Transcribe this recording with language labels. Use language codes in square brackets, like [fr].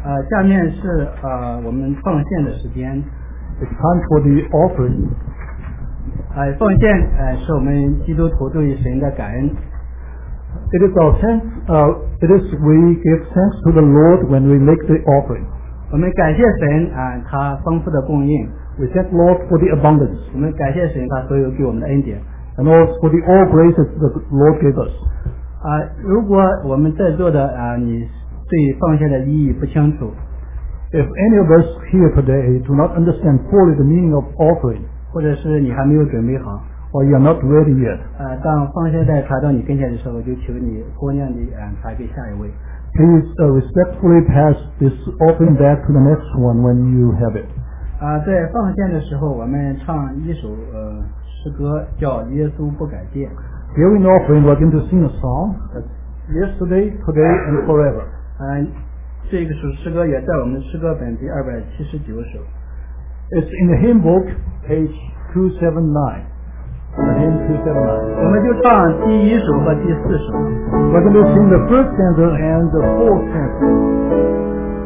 [zh] 下面是我们奉献的时间。 [en] It's time for the offering. [zh] 奉献是我们基督徒对神的感恩。 [en] It is our thanks. It is we give thanks to the Lord when we make the offering. [zh] 我们感谢神他丰富的供应。 [en] We thank Lord for the abundance. [zh] 我们感谢神他所有给我们的恩典。 [en] And also for the all graces the Lord gave us. [zh] 如果我们在座的你对奉献的意义不清楚。 [en] If any of us here today do not understand fully the meaning of offering, [zh] 或者是你还没有准备好。 [en] Or you are not ready yet. [zh] 当奉献袋传到你跟前的时候，就请你姑娘的传给下一位。 [en] Please respectfully pass this offering back to the next one when you have it. [zh] 在奉献的时候，我们唱一首诗歌，叫《耶稣不改变》。 [en] Giving offering, we're going to sing a song. Yesterday, today, and forever. [zh] 这个首诗歌也在我们诗歌本第279首。 [en] It's in the hymn book, page 279. [zh] 我们就唱第一首和第四首。 [en] We're going to sing the first stanza and the fourth stanza.